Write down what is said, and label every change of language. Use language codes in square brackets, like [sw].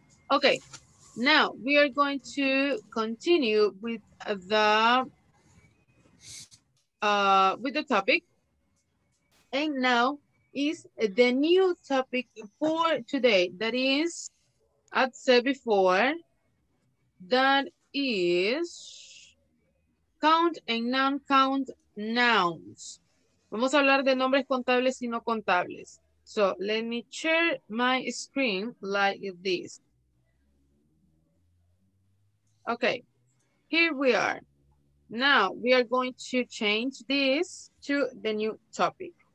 [en] Okay, now we are going to continue with the topic. And now is the new topic for today. That is, I'd said before, that is count and non-count nouns. [es] Vamos a hablar de nombres contables y no contables. [en] So, let me share my screen like this. Okay, here we are. Now, we are going to change this to the new topic.